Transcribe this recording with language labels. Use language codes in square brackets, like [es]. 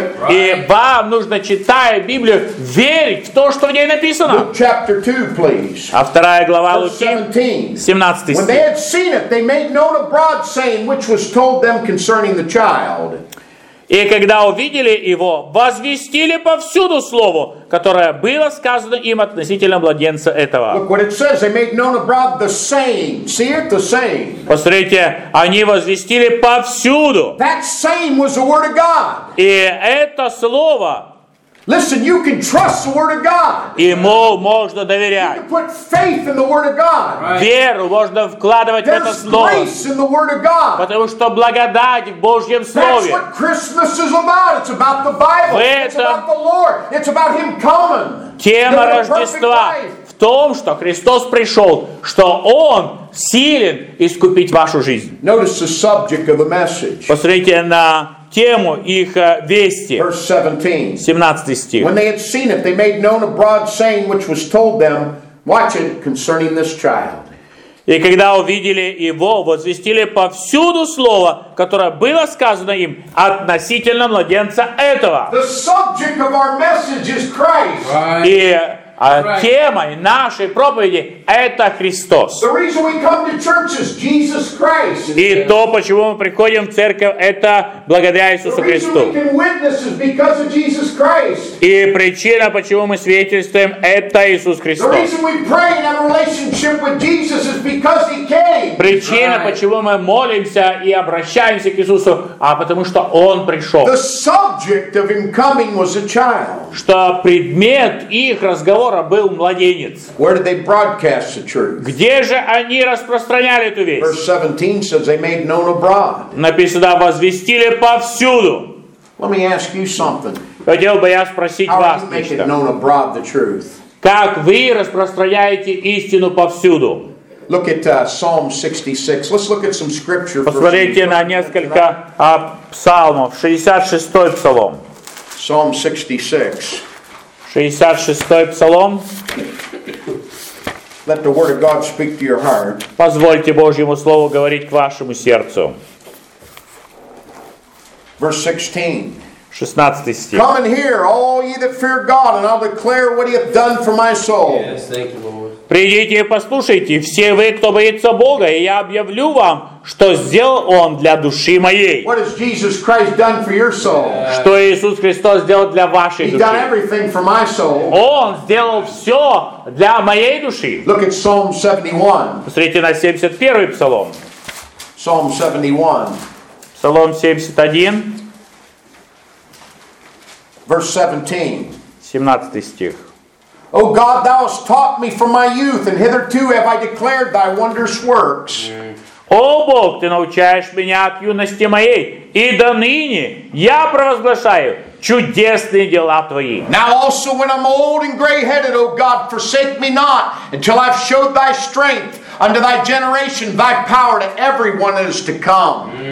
[ru] И вам нужно, читая Библию, верить в то, что в ней написано. [en] Luke chapter 2, please. [ru] А 2 глава Луки, 17 стих. [en] When they had seen it, they made known abroad, saying, which was told them concerning the child. [ru] И когда увидели его, возвестили повсюду слово, которое было сказано им относительно младенца этого. [en] Look what it says. They made known abroad the same. See it? The same. [ru] Посмотрите, они возвестили повсюду. [en] That same was the word of God. [ru] И это слово. [en] Listen, you can trust the word of God. [ru] Ему можно доверять. [en] You can put faith in the word of God. [ru] Веру можно вкладывать в это слово. [en] There's grace in the word of God. [ru] Потому что благодать в Божьем слове. [en] That's what Christmas is about. It's about the Bible. It's about the Lord. It's about Him coming. [ru] Тема Рождества в том, что Христос пришел, что Он силен искупить вашу жизнь. [en] Notice the subject of the message. [ru] Посмотрите на тему их вести. [en] Verse 17. [ru] 17 стих. [en] When they had seen it, they made known abroad saying which was told them, watch it, concerning this child. [ru] И когда увидели его, возвестили повсюду слово, которое было сказано им относительно младенца этого. [en] The subject of our message is Christ. Right. [ru] Темой нашей проповеди это Христос. [en] The reason we come to church is Jesus Christ. [ru] И то, почему мы приходим в церковь, это благодаря Иисусу Христу. [en] The reason we can witness is because of Jesus Christ. [ru] И причина, почему мы свидетельствуем, это Иисус Христос. [en] The reason we pray and have a relationship with Jesus is because He came. [ru] Причина, [en] right. [ru] почему мы молимся и обращаемся к Иисусу, а потому что Он пришел. [en] The subject of Him coming was a child. [ru] Что предмет их разговора был младенец. [en] Where did they broadcast the truth? [ru] Где же они распространяли эту весть? [en] Verse 17 says they made known abroad. [ru] Написано, возвестили повсюду. [en] Let me ask you something. [ru] Хотел бы я спросить вас нечто. [en] How did you make known abroad the truth? [ru] Как вы распространяете истину повсюду? [en] Look at Psalm 66. Let's look at some scripture. [ru] Посмотрите на несколько псалмов. 66-й псалом. [en] Psalm 66. [ru] 66-й псалом. [en] Let the word of God speak to your heart. [ru] Позвольте Божьему слову говорить к вашему сердцу. [en] Verse 16. [ru] 16 стих. [en] Come and hear, all ye that fear God, and I'll declare what He hath done for my soul. Yes, thank you, Lord. [ru] Придите и послушайте, все вы, кто боится Бога, и я объявлю вам, что сделал Он для души моей. [en] What has Jesus Christ done for your soul? [ru] Что Иисус Христос сделал для вашей души? [en] He done everything for my soul. [ru] Он сделал все для моей души. [en] Look at Psalm 71. [ru] Посмотрите на 71-й псалом. [en] Psalm 71. [ru] Псалом 71. [en] Verse 17. [ru] 17 стих. [en] O God, Thou hast taught me from my youth, and hitherto have I declared Thy wondrous works. [ru] О Бог, Ты научаешь меня от юности моей, и до ныне я провозглашаю чудесные дела Твои. [en] Now also when I'm old and gray-headed, O God, forsake me not, until I've showed Thy strength unto Thy generation, Thy power to everyone that is to come.